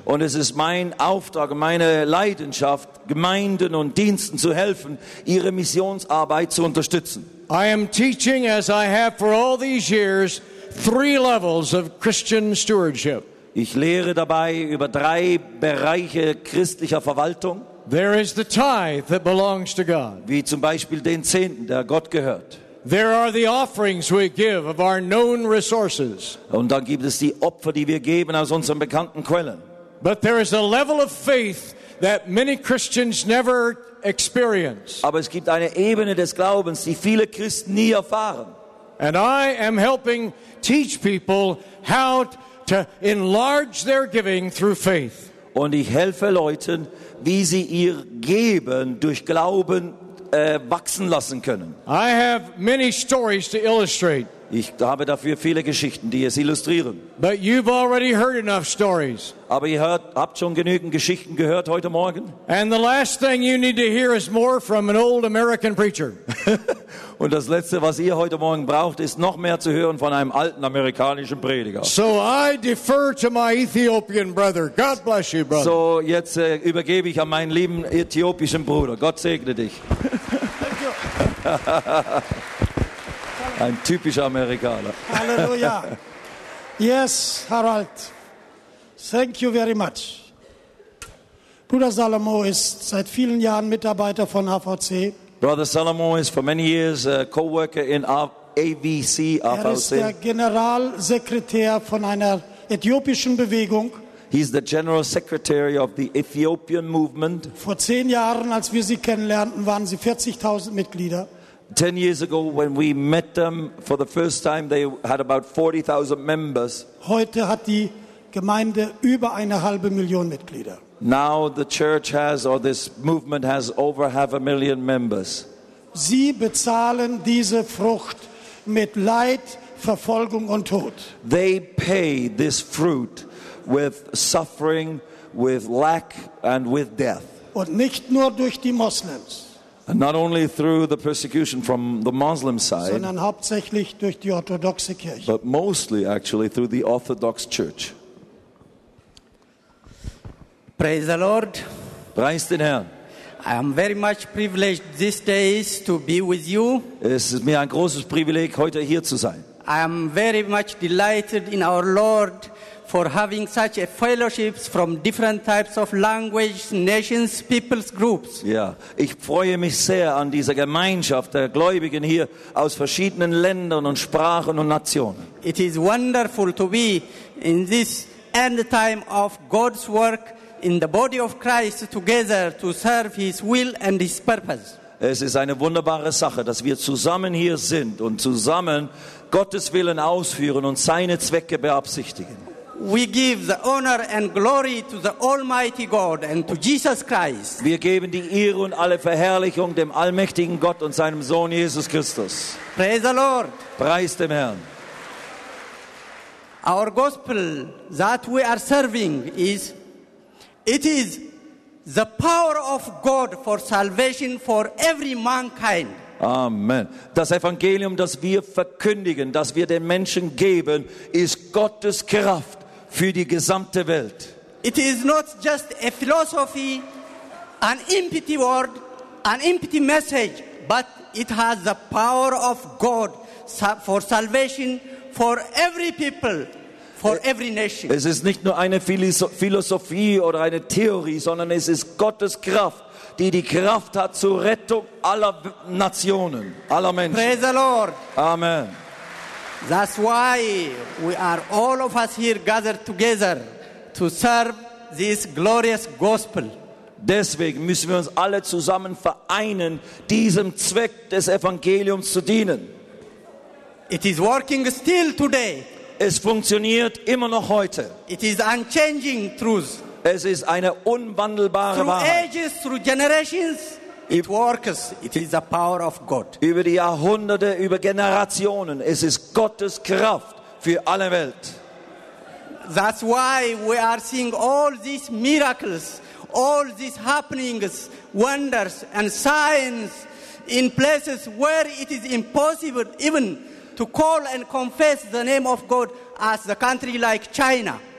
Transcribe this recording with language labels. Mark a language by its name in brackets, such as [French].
[German] Und es ist mein Auftrag, meine Leidenschaft, Gemeinden und Diensten zu helfen, ihre Missionsarbeit zu unterstützen. [English] I am teaching, as I have for all these years, three levels of Christian stewardship. [German] Ich lehre dabei über drei Bereiche christlicher Verwaltung. [English] There is the tithe that belongs to God. [German] Wie zum Beispiel den Zehnten, der Gott gehört. [English] There are the offerings we give of our known resources. [German] Und dann gibt es die Opfer, die wir geben aus unseren bekannten Quellen. [English] But there is a level of faith that many Christians never experience. [German] Aber es gibt eine Ebene des Glaubens, die viele Christen nie erfahren. [English] And I am helping teach people how to enlarge their giving through faith. [German] Und ich helfe Leuten, wie sie ihr Geben durch Glauben wachsen lassen können. [English] I have many stories to illustrate. [German] Ich habe dafür viele Geschichten, die es illustrieren. [English] But you've already heard enough stories. [German] Aber ihr habt schon genügend Geschichten gehört heute Morgen. [English] And the last thing you need to hear is more from an old American preacher. [German] Und das Letzte, was ihr heute Morgen braucht, ist noch mehr zu hören von einem alten amerikanischen Prediger. [English] So I defer to my Ethiopian brother. God bless you, brother. [German] So jetzt übergebe ich an meinen lieben äthiopischen Bruder. Gott segne dich. [English] Thank you. [German] Ein typischer Amerikaner. [English] Halleluja. Yes, Harald. Thank you very much. [German] Bruder Salomo ist seit vielen Jahren Mitarbeiter von AVC. [English] Brother Salomo is for many years a co-worker in AVC, AVC. [German] Er ist der Generalsekretär von einer äthiopischen Bewegung. [English] He's the general secretary of the Ethiopian movement. [German] Vor 10 Jahren, als wir sie kennenlernten, waren sie 40.000 Mitglieder. [English] 10 years ago, when we met them for the first time, they had about 40,000 members. [German] Heute hat die Gemeinde über eine halbe Million Mitglieder. [English] Now the church has, or this movement has, over 500,000 members. [German] Sie bezahlen diese Frucht mit Leid, Verfolgung und Tod. [English] They pay this fruit with suffering, with lack, and with death. [German] Und nicht nur durch die Moslems. [English] And not only through the persecution from the Muslim side, [German] sondern hauptsächlich durch die orthodoxe Kirche, [English] but mostly actually through the Orthodox Church. Praise the Lord. [German] Preis den Herrn. [English] I am very much privileged these days to be with you. [German] Es ist mir ein großes Privileg, heute hier zu sein. [English] I am very much delighted in our Lord for having such a fellowships from different types of languages, nations, peoples, groups. [German] Ja, ich freue mich sehr an dieser Gemeinschaft der Gläubigen hier aus verschiedenen Ländern und Sprachen und Nationen. [English] It is wonderful to be in this end time of God's work in the body of Christ together to serve His will and His purpose. [German] Es ist eine wunderbare Sache, dass wir zusammen hier sind und zusammen Gottes Willen ausführen und seine Zwecke beabsichtigen. [English] We give the honor and glory to the Almighty God and to Jesus Christ. [German] Wir geben die Ehre und alle Verherrlichung dem allmächtigen Gott und seinem Sohn Jesus Christus. [English] Praise the Lord. [German] Preis dem Herrn. [English] Our gospel that we are serving is, it is the power of God for salvation for every mankind. Amen. [German] Das Evangelium, das wir verkündigen, das wir den Menschen geben, ist Gottes Kraft für die gesamte Welt. [English] It is not just a philosophy, an empty word, an empty message, but it has the power of God for salvation for every people, for every nation. [German] Es ist nicht nur eine Philosophie oder eine Theorie, sondern es ist Gottes Kraft, die die Kraft hat zur Rettung aller Nationen, aller Menschen. [English] Praise the Lord. Amen. That's why we are all of us here gathered together to serve this glorious gospel. [German] Deswegen müssen wir uns alle zusammen vereinen, diesem Zweck des Evangeliums zu dienen. [English] It is working still today. [German] Es funktioniert immer noch heute. [English] It is unchanging truth. [German] Es ist eine unwandelbare Wahrheit. [English] Through ages, through generations, it works. It is the power of God. [German] Über die Jahrhunderte, über Generationen, es ist Gottes Kraft für alle Welt. [English] That's why we are seeing all these miracles, all these happenings, wonders and signs in places where it is impossible even to call and confess the name of God, as the country like China.